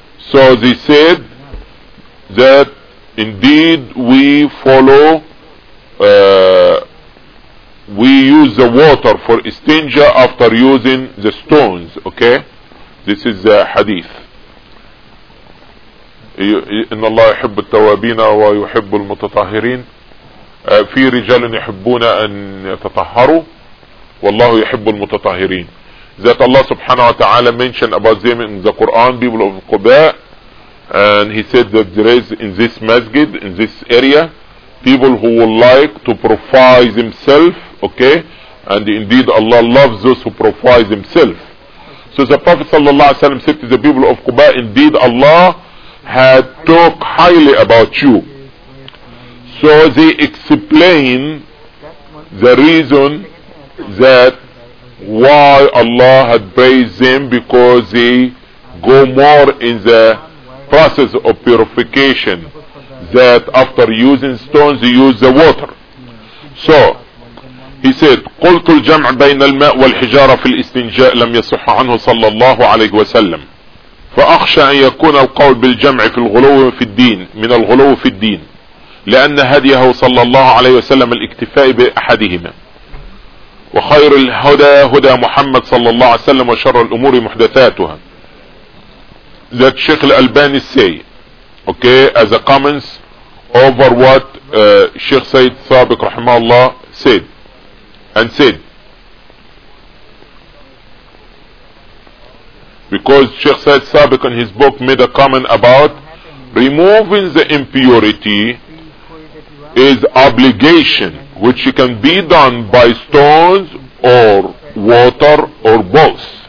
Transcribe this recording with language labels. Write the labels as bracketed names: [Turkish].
[English] So they said that indeed we follow, we use the water for istinja after using the stones. Okay? This is the hadith. [Arabic] إن الله يحب التوابين ويحب المتطهرين في رجال يحبون أن يتطهروا والله يحب المتطهرين. [English] That Allah subhanahu wa ta'ala mentioned about them in the Quran, people of Quba, and he said that there is in this masjid, in this area, people who would like to profile themselves, okay, and indeed Allah loves those who profile themselves. So the Prophet sallallahu alaihi wasallam said to the people of Quba, indeed Allah had talked highly about you. So they explain the reason that why Allah had praised them, because they go more in the process of purification, that after using stones they use the water. So he said [Arabic] قلت الجمع بين الماء والحجارة في الاستنجاء لم يصح عنه صلى الله عليه وسلم فأخشى أن يكون القول بالجمع في الغلو في الدين من الغلو في الدين لأن هديه صلى الله عليه وسلم الاكتفاء بأحدهما وخير الهدى هدى محمد صلى الله عليه وسلم وشر الأمور محدثاتها. [English] That Sheikh Al-Albani say, okay, as a comments over what Sheikh Sayyid Sabiq رحمه الله said, and said because Sheikh Sayyid Sabiq in his book made a comment about removing the impurity is obligation which can be done by stones or water or both.